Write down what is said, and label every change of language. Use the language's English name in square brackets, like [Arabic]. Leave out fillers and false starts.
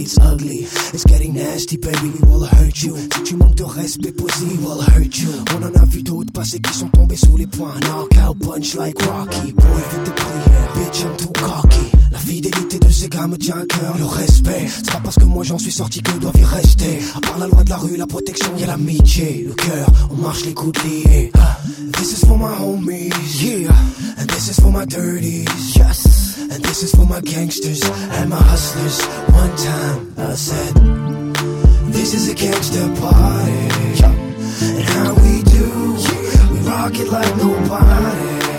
[English] It's ugly, it's getting nasty, baby. We will hurt you. [French] Si tu manques de respect, [English] pussy, we will hurt you. [French] On en a vu d'autres passés qui sont tombés sous les poings. [English] Knockout punch like Rocky. [French] Boy, vite de prière, bitch, [English] I'm too cocky. [French] La fidélité de ces gars me tient à cœur. Le respect, c'est pas parce que moi j'en suis sorti que doivent y rester. À part la loi de la rue, la protection, y'a l'amitié. Le cœur, on marche les coudes liés. [English] This is for my homies. Yeah, and this is for my dirties. Yes, and this is for my gangsters and my hustlers. One time I said, this is a gangster party. And how we do, we rock it like nobody.